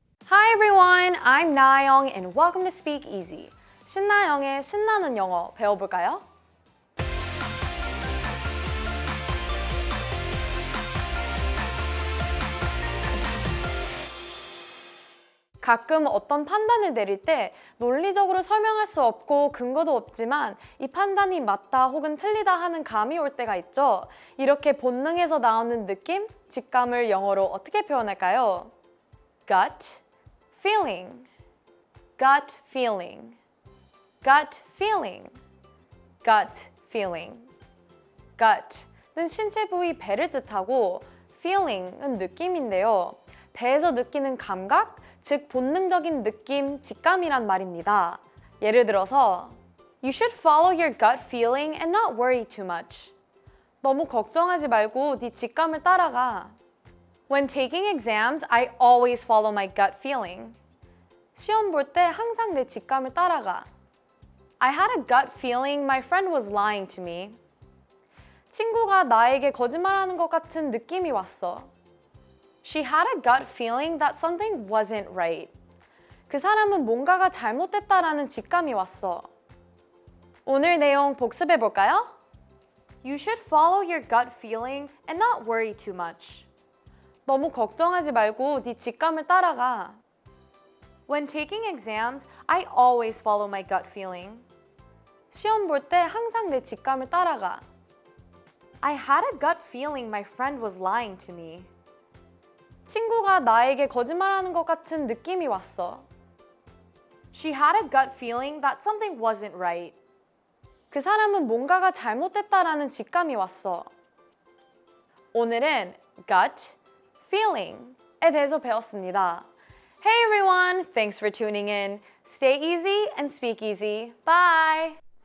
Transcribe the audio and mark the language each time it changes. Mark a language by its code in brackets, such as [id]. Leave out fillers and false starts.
[en] Hi everyone, I'm Na-young and welcome to Speak Easy. [ko] 신나영의 신나는 영어 배워볼까요? 가끔 어떤 판단을 내릴 때 논리적으로 설명할 수 없고 근거도 없지만 이 판단이 맞다 혹은 틀리다 하는 감이 올 때가 있죠. 이렇게 본능에서 나오는 느낌, 직감을 영어로 어떻게 표현할까요? [en] Gut feeling. Gut feeling. Gut feeling. Gut feeling. [ko] Gut는 신체 부위 배를 뜻하고 feeling은 느낌인데요. 배에서 느끼는 감각, 즉 본능적인 느낌, 직감이란 말입니다. 예를 들어서 [en] You should follow your gut feeling and not worry too much. [ko] 너무 걱정하지 말고 네 직감을 따라가. [en] When taking exams, I always follow my gut feeling. [ko] 시험 볼 때 항상 내 직감을 따라가. [en] I had a gut feeling my friend was lying to me. [ko] 친구가 나에게 거짓말하는 것 같은 느낌이 왔어. [en] She had a gut feeling that something wasn't right. [ko] 그 사람은 뭔가가 잘못됐다라는 직감이 왔어. 오늘 내용 복습해 볼까요? [en] You should follow your gut feeling and not worry too much. [ko] 너무 걱정하지 말고 네 직감을 따라가. [en] When taking exams, I always follow my gut feeling. [ko] 시험 볼 때 항상 내 직감을 따라가. [en] I had a gut feeling my friend was lying to me. [ko] 친구가 나에게 거짓말하는 것 같은 느낌이 왔어. [en] She had a gut feeling that something wasn't right. [ko] 그 사람은 뭔가가 잘못됐다라는 직감이 왔어. 오늘은 gut feeling에 대해서 배웠습니다. [en] Hey everyone, thanks for tuning in. Stay easy and speak easy. Bye!